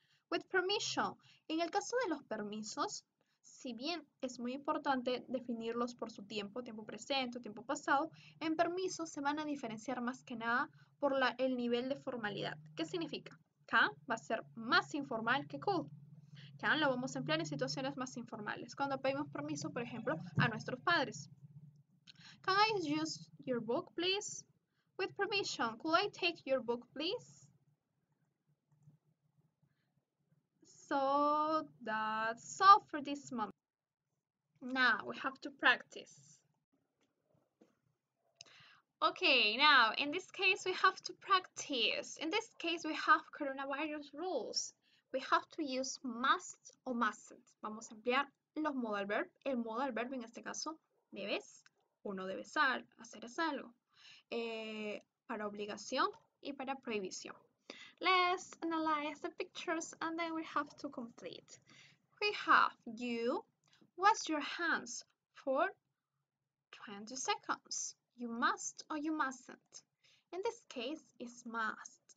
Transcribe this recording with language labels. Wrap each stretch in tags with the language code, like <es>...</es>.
<en>With permission,</en> <es>en el caso de los permisos, si bien es muy importante definirlos por su tiempo, tiempo presente o tiempo pasado, en permiso se van a diferenciar más que nada por el nivel de formalidad. ¿Qué significa? Can va a ser más informal que could. Can lo vamos a emplear en situaciones más informales. Cuando pedimos permiso, por ejemplo, a nuestros padres.</es> <en>Can I use your book, please? With permission, could I take your book, please? So that's all for this moment. Now we have to practice. Okay, now in this case we have to practice. In this case we have coronavirus rules. We have to use must or mustn't.</en> <es>Vamos a emplear los modal verb. El modal verb en este caso debes o no debes hacer es algo. Para obligación y para prohibición.</es> <en>Let's analyze the pictures and then we have to complete. We have you wash your hands for 20 seconds. You must or you mustn't. In this case, it's must.</en>